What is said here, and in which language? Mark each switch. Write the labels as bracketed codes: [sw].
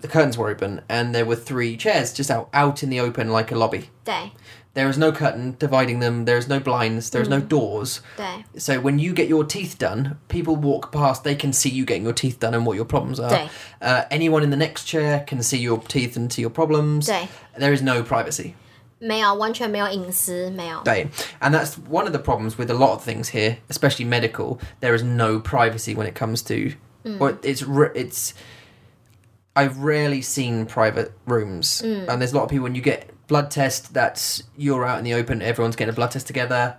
[en] The curtains were open and there were three chairs just out in the open like a lobby. Day. There is no curtain dividing them. There is no blinds. There is no doors. Day. So when you get your teeth done, people walk past. They can see you getting your teeth done and what your problems are. Anyone in the next chair can see your teeth and see your problems. Day. There is no privacy. [zh] 没有，完全没有隐私，没有。对。 [en] And that's one of the problems with a lot of things here, especially medical. There is no privacy when it comes to... Well, it's I've rarely seen private rooms. Mm. And there's a lot of people when you get... Blood test, that's you're out in the open, everyone's getting a blood test together.